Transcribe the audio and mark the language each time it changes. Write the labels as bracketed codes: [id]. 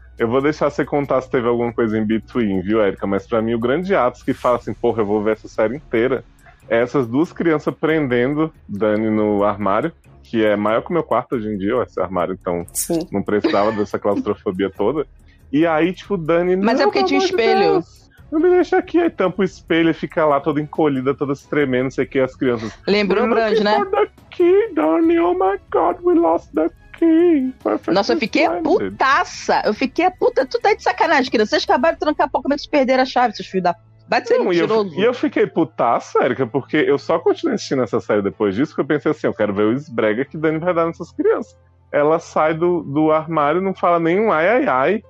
[pt] Eu vou deixar você contar se teve alguma coisa em between, viu, Érica? Mas pra mim, o grande ato que fala assim, porra, eu vou ver essa série inteira, é essas duas crianças prendendo Dani no armário, que é maior que o meu quarto hoje em dia, esse armário, então não precisava dessa claustrofobia toda. E aí, tipo, Dani... Mas é porque tinha um espelho. Não me deixa aqui, aí tampa o espelho e fica lá toda encolhida, toda se tremendo, não sei o que, as crianças... Lembrou o Brandi, né? Daqui, [en] Dani, oh my God, we lost the key. Perfect. [pt] Nossa, eu fiquei putaça. Eu fiquei a puta. Tu tá de sacanagem, criança. Vocês acabaram de trancar a pouco, mas perderam a chave, seus filhos da. Vai ser mentiroso. E eu fiquei putaça, Erika, porque eu só continuei assistindo essa série depois disso, porque eu pensei assim: eu quero ver o esbrega que Dani vai dar nessas crianças. Ela sai do armário, não fala nenhum ai, ai, ai.